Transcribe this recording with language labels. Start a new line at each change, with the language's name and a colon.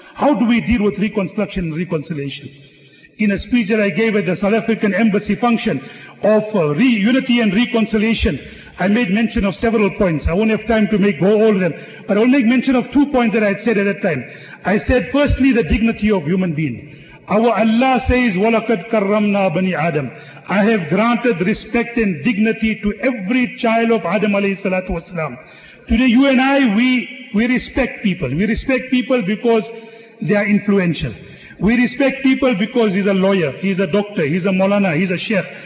English: How do we deal with reconstruction and reconciliation? In a speech that I gave at the South African Embassy function of unity and reconciliation, I made mention of several points. I won't have time to go all of them, but I'll make mention of two points that I had said at that time. I said, firstly, the dignity of human being. Our Allah says,
Arabic: وَلَقَدْ كَرَّمْنَا بَنِي آدَمْ.
English: I have granted respect and dignity to every child of Adam alayhi salatu wasalam. Today you and I, we respect people. We respect people because they are influential. We respect people because he's a lawyer, he's a doctor, he's a molana, he's a sheikh.